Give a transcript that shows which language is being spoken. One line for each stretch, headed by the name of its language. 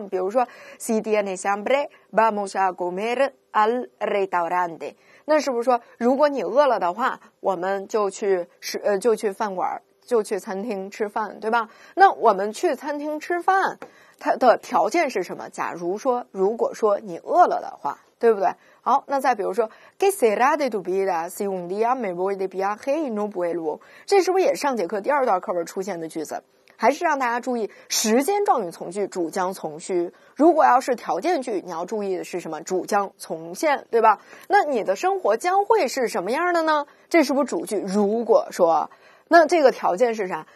Chinese: 比如说
Spanish: si tiene hambre vamos a comer al restaurante，
Chinese: 那是不是说如果你饿了的话，我们就去饭馆，就去餐厅吃饭，对吧？那我们去餐厅吃饭它的条件是什么？假如说，如果说你饿了的话，对不对？好，那再比如说
Spanish: ，¿Qué será de tu vida si un día me voy de viaje y no vuelvo？
Chinese: 这是不是也上节课第二段课文出现的句子？还是让大家注意时间状语从句，主将从虚。如果要是条件句，你要注意的是什么？主将从现，对吧？那你的生活将会是什么样的呢？这是不是主句？如果说。那这个条件是啥？